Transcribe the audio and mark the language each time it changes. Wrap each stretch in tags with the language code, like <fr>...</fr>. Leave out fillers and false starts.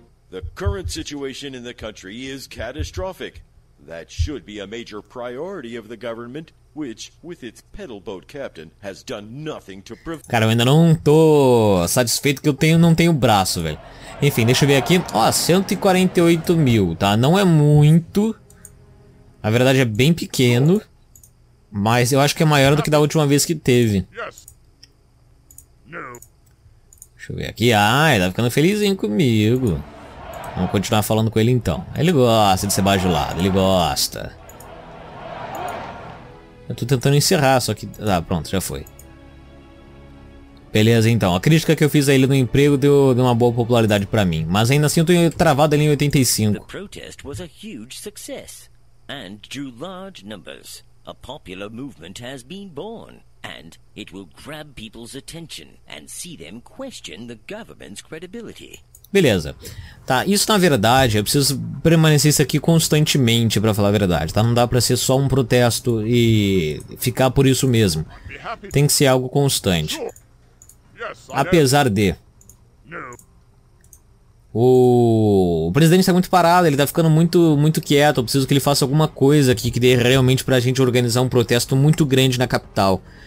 <en>The current situation in the country is catastrophic. That should be a major priority of the government, which with its pedal boat captain has done nothing to prevent.</en> <pt>Cara, eu ainda não tô satisfeito que eu tenho não tenho braço, velho. Enfim, deixa eu ver aqui. Ó, 148 mil, tá? Não é muito. Na verdade é bem pequeno, mas eu acho que é maior do que da última vez que teve. Deixa eu ver aqui, ai, tá ficando felizinho comigo. Vamos continuar falando com ele então. Ele gosta de ser bajulado, ele gosta. Eu tô tentando encerrar, só que... Ah, pronto, já foi. Beleza então, a crítica que eu fiz a ele no emprego deu uma boa popularidade pra mim. Mas ainda assim eu tô travado ali em 85. O protesto foi um grande sucesso.</pt> <en>And drew large numbers. A popular movement has been born, and it will grab people's attention and see them question the government's credibility.</en> <pt>Beleza. Tá, isso na verdade, eu preciso permanecer isso aqui constantemente pra falar a verdade, tá? Não dá pra ser só um protesto e ficar por isso mesmo. Tem que ser algo constante. Apesar de... O presidente está muito parado, ele está ficando muito, muito quieto. Eu preciso que ele faça alguma coisa aqui que dê realmente para a gente organizar um protesto muito grande na capital.</pt>